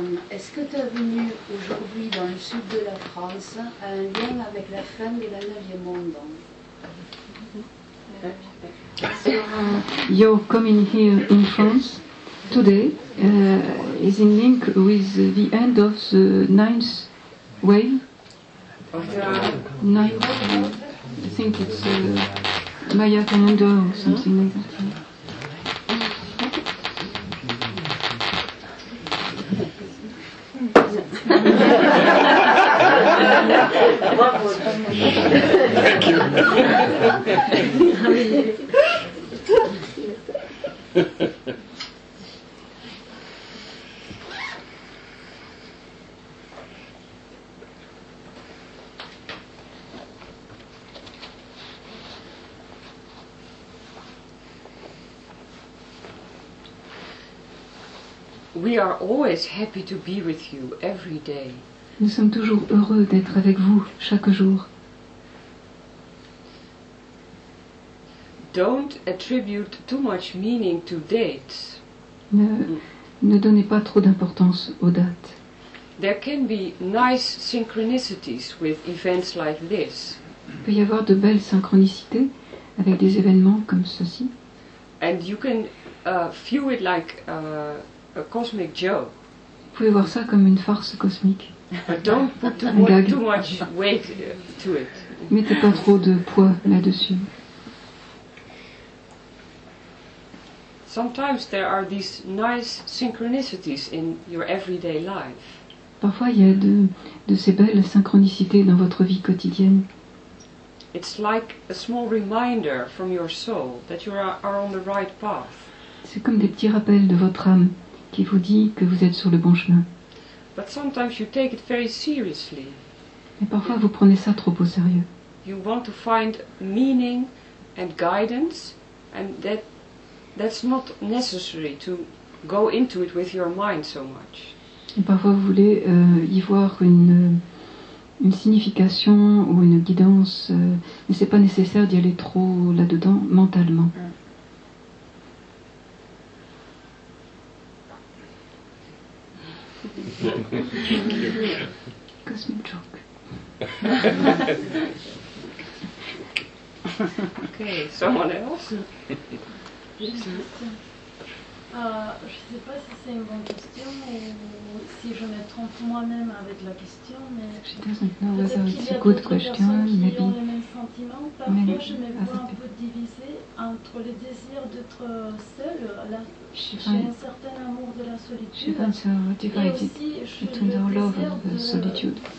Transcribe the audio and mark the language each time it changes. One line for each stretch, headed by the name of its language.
French: Est-ce que tu as venu aujourd'hui dans le sud de la France à un lien avec la fin de la 9e onde?
English: So, you're coming here in France today is in link with the end of the 9th wave. I think it's Maya calendar or something like that. Thank you. We are always happy to be with you every day.
French: Nous sommes toujours heureux d'être avec vous chaque jour.
English: Don't attribute too much meaning to dates.
French: Ne donnez pas trop d'importance aux dates.
English: There can be nice synchronicities with events like this.
French: Il peut y avoir de belles synchronicités avec des événements comme ceci.
English: And you can view it like a cosmic joke.
French: Vous pouvez voir ça comme une farce cosmique.
English: But don't put too much weight to it.
French: Mettez pas trop de poids là-dessus.
English: Sometimes there are these nice synchronicities in your everyday life.
French: Parfois il y a de ces belles synchronicités dans votre vie quotidienne.
English: It's like a small reminder from your soul that you are on the right path.
French: C'est comme des petits rappels de votre âme qui vous dit que vous êtes sur le bon chemin.
English: But sometimes you take it very seriously.
French: Mais parfois vous prenez ça trop au sérieux.
English: You want to find meaning and guidance, and that's not necessary to go into it with your mind so much.
French: Et parfois vous voulez y voir une signification ou une guidance, mais c'est pas nécessaire d'y aller trop là-dedans mentalement.
English: Cosmic joke. Okay, someone else.
French: Je ne sais pas si c'est une bonne question ou si je me trompe moi-même avec la question, mais
English: she doesn't know whether it's a good question, maybe.
French: Qui ont les mêmes sentiments. Parfois, je me vois un peu divisée entre le désir d'être seule. J'ai un certain amour de la solitude.
English: She finds her divided between her love of the solitude.